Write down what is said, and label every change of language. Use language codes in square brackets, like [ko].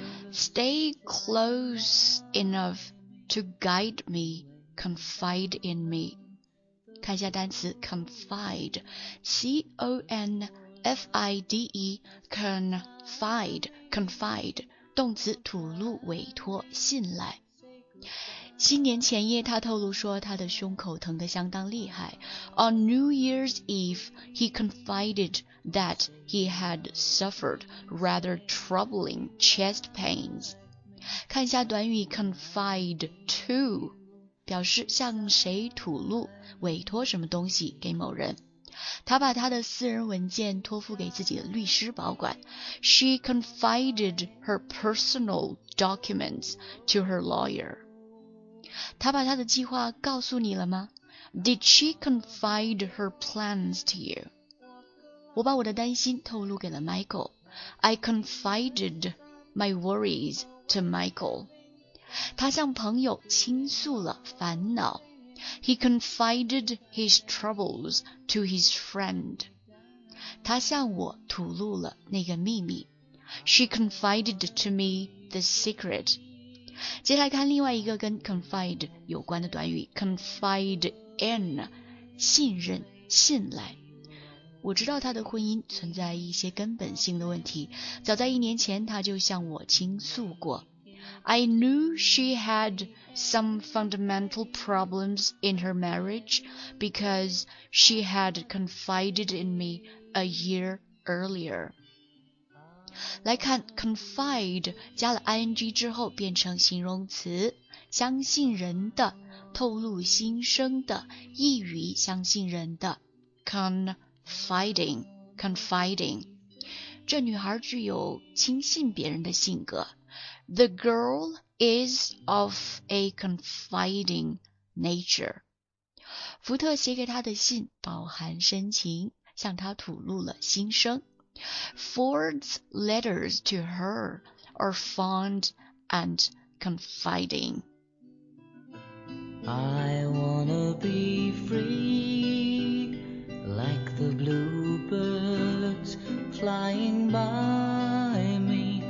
[en] Stay close enough to guide me, confide in me. [zh] 看一下单词 confide， C-O-N-F-I-D-E， confide， confide， 动词吐露、委托、信赖。新年前夜，他透露说他的胸口疼得相当厉害。 [en] On New Year's Eve, he confided that he had suffered rather troubling chest pains. [zh] 看一下短语 confide to，表示向谁吐露、委托什么东西给某人。他把他的私人文件托付给自己的律师保管。 [en] She confided her personal documents to her lawyer. [zh] 他把他的计划告诉你了吗？ [en] Did she confide her plans to you? [zh] 我把我的担心透露给了 Michael. [en] I confided my worries to Michael. [zh] 他向朋友倾诉了烦恼。 [en] He confided his troubles to his friend. [zh] 他向我吐露了那个秘密。 [en] She confided to me the secret. [zh] 接下来看另外一个跟 confide 有关的短语 , confide in, 信任、信赖。我知道他的婚姻存在一些根本性的问题，早在一年前他就向我倾诉过。 [en] I knew she had some fundamental problems in her marriage because she had confided in me a year earlier. [zh] 来看 confide 加了 ing 之后变成形容词，相信人的，透露心声的，易于相信人的。 [en] Confiding. [zh] 这女孩具有轻信别人的性格。 [en] The girl is of a confiding nature. [zh] 福特写给她的信饱含深情，向她吐露了心声。 [en] Ford's letters to her are fond and confiding. I wanna be free like the bluebirds flying by me.